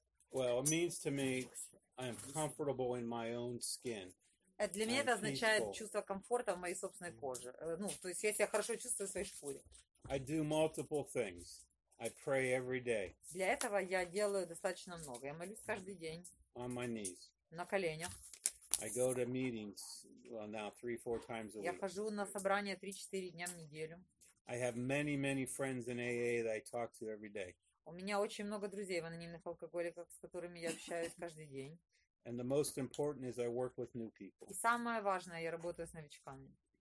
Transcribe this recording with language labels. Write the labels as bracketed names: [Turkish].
[English] Well, it means to me I'm comfortable in my own skin. [Russian] Для меня это означает чувство комфорта в моей собственной коже. Ну, то есть я себя хорошо чувствую в своей шкуре. [English] I do multiple things. I pray every day. [Russian] Для этого я делаю достаточно много. Я молюсь каждый день. [English] On my knees. [Russian] На коленях. [English] I go to meetings now 3-4 times a week. [Russian] Я хожу на собрания 3-4 дня в неделю. [English] I have many, many friends in AA that I talk to every day. [Russian] У меня очень много друзей в анонимных алкоголиках, с которыми я общаюсь каждый день. [English] And the most important is I work with new people. [Russian] И самое важное, я работаю с новичками.